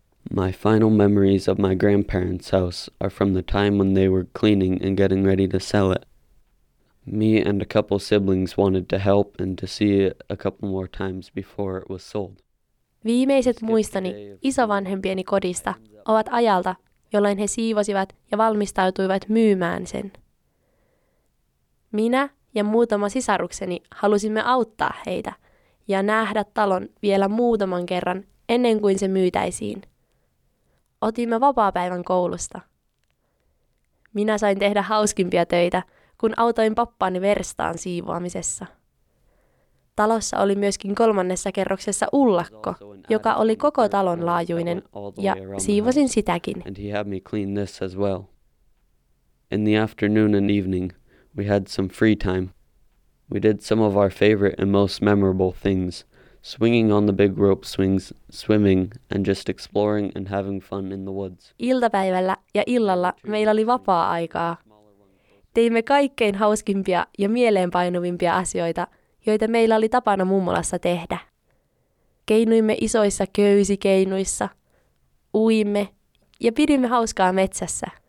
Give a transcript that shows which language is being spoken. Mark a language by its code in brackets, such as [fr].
[en] My final memories of my grandparents' house are from the time when they were cleaning and getting ready to sell it. Me and a couple siblings wanted to help and to see it a couple more times before it was sold. [fi] Viimeiset muistani isovanhempieni kodista ovat ajalta, jolloin he siivosivat ja valmistautuivat myymään sen. Minä ja muutama sisarukseni halusimme auttaa heitä ja nähdä talon vielä muutaman kerran ennen kuin se myytäisiin. Otimme vapaapäivän koulusta. Minä sain tehdä hauskimpia töitä, kun autoin pappaani verstaan siivoamisessa. Talossa oli myöskin kolmannessa kerroksessa ullakko, joka oli koko talon laajuinen, ja siivosin sitäkin. [en] And he had me clean this as well. In the afternoon and evening, we had some free time. We did some of our favorite and most memorable things. Swinging on the big rope swings, swimming, and just exploring and having fun in the woods. [fi] Iltapäivällä ja illalla meillä oli vapaa-aikaa. Teimme kaikkein hauskimpia ja mieleenpainuvimpia asioita, joita meillä oli tapana mummolassa tehdä. Keinuimme isoissa köysikeinuissa, uimme ja pidimme hauskaa metsässä.